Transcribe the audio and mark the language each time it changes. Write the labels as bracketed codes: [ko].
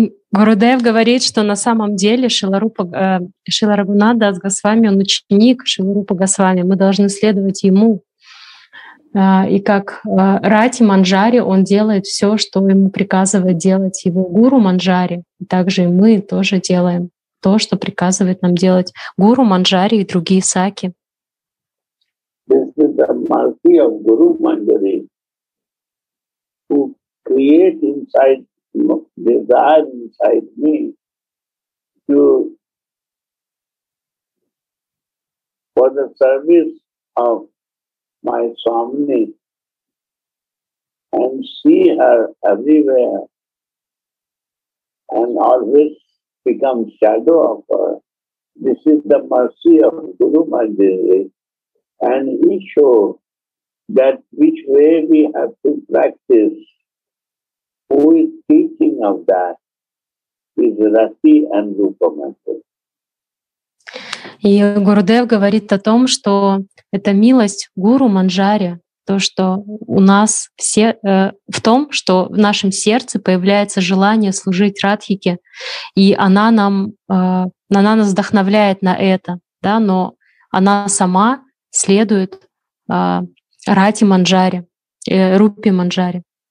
[ru] Гурудев говорит, что на самом деле Шрила Рагхунат Дас Госвами, он ученик Шрилы Рупы Госвами, мы должны следовать ему. И как Рати Манджари, он делает все, что ему приказывает делать его Гуру Манджари. И также и мы тоже делаем то, что приказывает нам делать Гуру Манджари и другие саки. [en] This is the mercy of Guru Manjari, who create inside, desire inside me to, for the service of my Swamini and see her everywhere and always become shadow of her. This is the mercy of Guru Manjari, and he showed that which way we have to practice. Who is teaching of that is Rati and Rupa Manjari. [ru] И Гурудев говорит о том, что это милость Гуру Манджари, то, что у нас все в том, что в нашем сердце появляется желание служить Радхике, и она нам, она нас вдохновляет на это, да, но она сама следует Рати Манджари, Рупе Манджари.